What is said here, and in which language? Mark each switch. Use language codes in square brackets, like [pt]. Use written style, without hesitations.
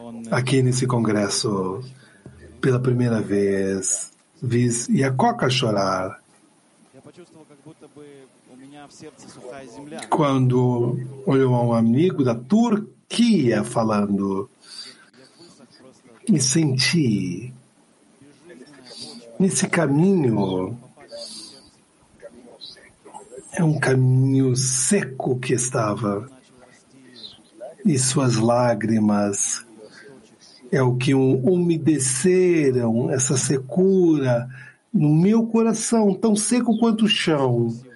[pt] Aqui nesse congresso, pela primeira vez, vi Акока chorar. [ru] Я почувствовал, как будто бы у меня в сердце сухая земля. [pt] Quando olhou um amigo da Turquia falando, me senti nesse caminho. É um caminho seco que estava. E suas lágrimas é o que umedeceram essa secura no meu coração, tão seco quanto o chão.